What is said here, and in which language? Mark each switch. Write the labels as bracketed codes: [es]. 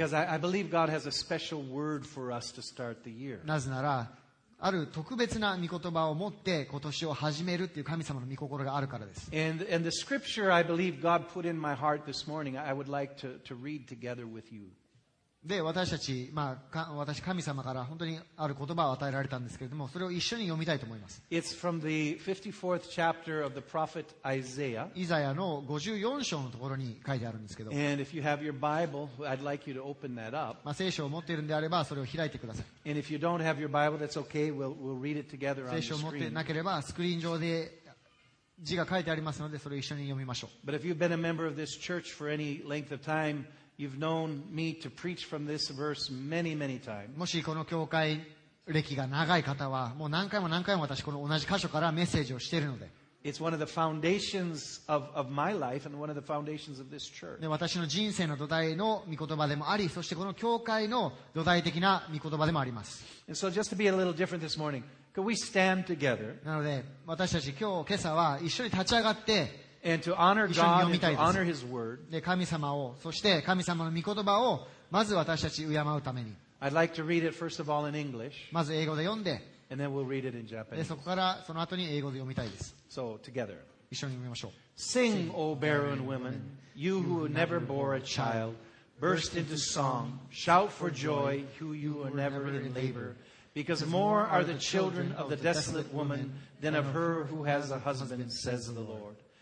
[en] Because I believe God has a special word for us to start the year. [ja] なぜなら、ある特別な御言葉を持って今年を始めるっていう神様の御心があるからです。 [en] And the scripture I believe God put in my heart this morning, I would like to read together with you. [ja] で私たち、まあ、私神様から本当にある言葉を与えられたんですけれどもそれを一緒に読みたいと思います。 [en] It's from the 54th chapter of the prophet Isaiah. [ja] イザヤの54章のところに書いてあるんですけど。 [en] And if you have your Bible, I'd like you to open that up. [ja] まあ、聖書を持っているのであればそれを開いてください。 [en] And if you don't have your Bible, that's okay. We'll read it together on the screen. [ja] 聖書を持っていなければスクリーン上で字が書いてありますのでそれを一緒に読みましょう。 [en] But if you've been a member of this church for any length of timeYou've known me to preach from this verse many, many times. [ja] もしこの教会歴が長い方は、もう何回も何回も私この同じ箇所からメッセージをしているので。 [en] It's one of the foundations of my life and one of the foundations of this church. [ja] 私の人生の土台の御言葉でもあり、そしてこの教会の土台的な御言葉でもあります。 [en] And so just to be a little different this morning, could we stand together? [ja] なので、私たち今日、今朝は一緒に立ち上がって、 [en] And to honor God and to honor His word. [ja] で神様をそして神様の御言葉をまず私たち敬うために。 [en] I'd like to read it first of all in English. [ja] まず英語で読んで。 [en] And then we'll read it in Japanese. [ja] でそこからその後に英語で読みたいです。 [en] So together. [ja] 一緒に読みましょう。 [en] Sing, O barren women, you who never bore a child, burst into song, shout for joy, who you were never in labor, because more are the children of the desolate woman than of her who has a husband, says the Lord.